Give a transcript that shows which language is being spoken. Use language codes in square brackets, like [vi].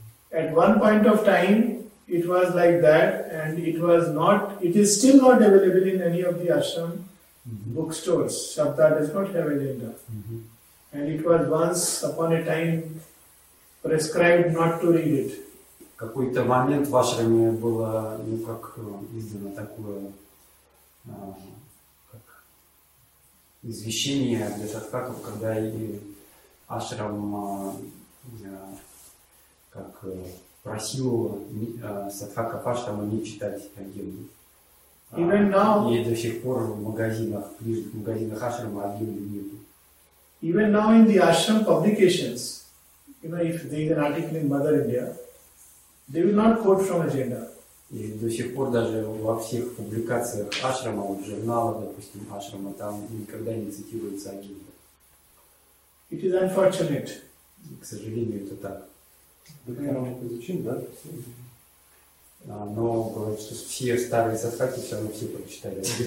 [en] At one point of time, it was like that, and it was not. It is still not available in any of the ashram bookstores. Shabda does not have agenda, and it was once upon a time. Prescribed not to read it. [ru] Какой-то момент в ашраме было, ну, как издано такое как извещение для садхаков, когда ашрам как просил садхаков ашрама не читать агенду. [en] Even now, [ru] и до сих пор в магазинах, книжных магазинах ашрама агенды нет. [en] Even now in the ashram publications. You know, if there is an article in Mother India, they will not quote from agenda. [ru] И до сих пор даже во всех публикациях ашрама, вот журналы, допустим, ашрама, там никогда не цитируется агенда. [en] It is unfortunate. [ru] К сожалению, это так. Доктор, мы это изучим, да? Но говорят, что все старые садхаки все равно все прочитали.